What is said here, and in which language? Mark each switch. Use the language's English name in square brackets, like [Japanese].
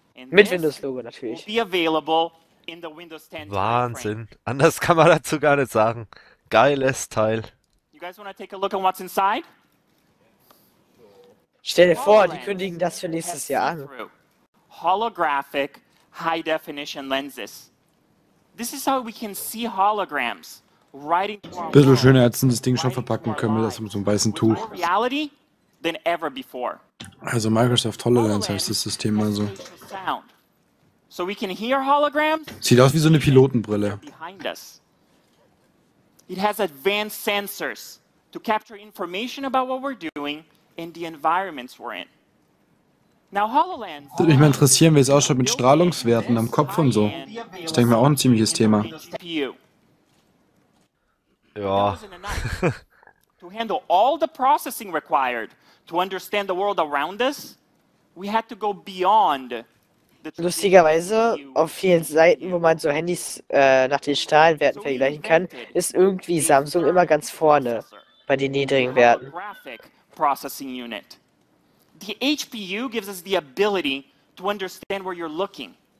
[German] Mit Windows Logo natürlich. [English] Will be available in the Windows 10 [German] Wahnsinn. Anders kann man dazu gar nicht sagen. Geiles Teil. [English] You guys want to take a look at what's inside? [German] Stell dir vor, die kündigen das für nächstes Jahr an. [English] Holographic high definition lenses. This is how we can see holograms. [German] Ein bisschen schöner hätten das Ding schon verpacken können, das mit so einem weißen Tuch. [English] Than ever before. [German] Also Microsoft HoloLens heißt das System also. [English] So we can hear holograms. [German] Sieht aus wie so eine Pilotenbrille. [English] It has advanced sensors to capture information about what we're doing and the environments we're in. Now HoloLens. [German] Würde mich mal interessieren, wie es ausschaut mit Strahlungswerten am Kopf und so. Ich denke mir auch ein ziemliches Thema. Ja. [English] To handle all the processing required to understand the world around us, we had to go beyond. [German] Lustigerweise, auf vielen Seiten, wo man so Handys nach den Strahlenwerten vergleichen kann, ist irgendwie Samsung immer ganz vorne bei den niedrigen Werten. [English] Processing unit. The HPU gives us the ability to understand where you're looking.